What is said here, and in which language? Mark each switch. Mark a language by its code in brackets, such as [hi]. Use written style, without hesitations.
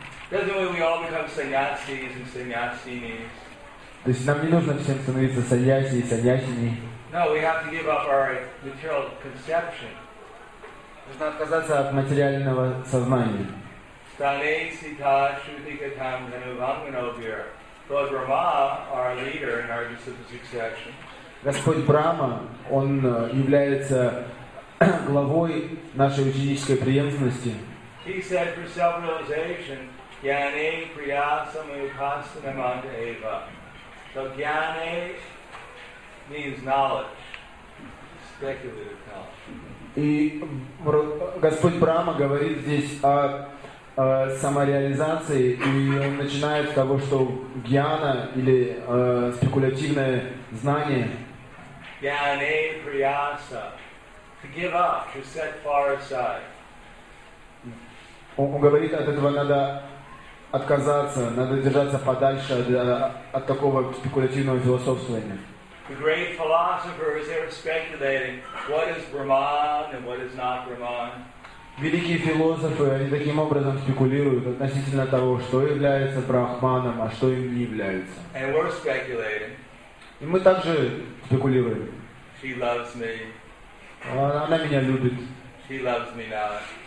[en] Doesn't mean we all become sannyasis and sannyasinis. [ru] То есть нам не нужно всем становиться саньяси и саньясини. [en] No, we have to give up our material conception. [ru] Нужно отказаться от материального сознания. [sa] Стане сита шутикатам ханувангановир. [en] Lord Brahma, our leader in our disciplic succession. [ru] Господь Брама, он является главой нашей ученической преемственности. [en] He said for self-realization, [sa] jnane priyasama upasanam anta eva. [en] So jnane means knowledge, speculative knowledge. [ru] И Господь Брама говорит здесь о самореализации, и он начинает с того, что гьяна или спекулятивное знание. [en] Jnane priyasa. To give up, to set far aside. [ru] Он говорит, от этого надо отказаться, надо держаться подальше от такого спекулятивного философствования. [en] The great philosophers, they're speculating what is Brahman and what is not Brahman. [ru] Великие философы, они таким образом спекулируют относительно того, что является Брахманом, а что им не является. [en] And we're speculating. [ru] И мы также спекулируем. [en] She loves me. [ru] Она меня любит. [en] She loves me not.